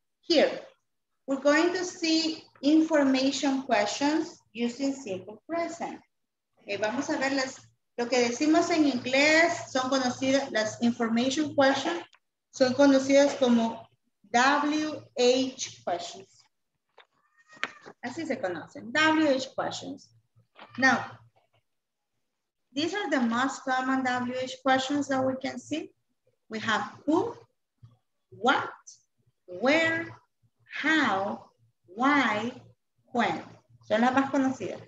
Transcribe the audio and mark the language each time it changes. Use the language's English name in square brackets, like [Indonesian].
[English] Here, we're going to see information questions using simple present. [Spanish] Okay, vamos a ver las, lo que decimos en inglés son conocidas, las information questions son conocidas como WH questions. Así se conocen, WH questions. [English] Now, these are the most common WH questions that we can see. We have who, what, where, how, why, when. [Spanish] Son las más conocidas.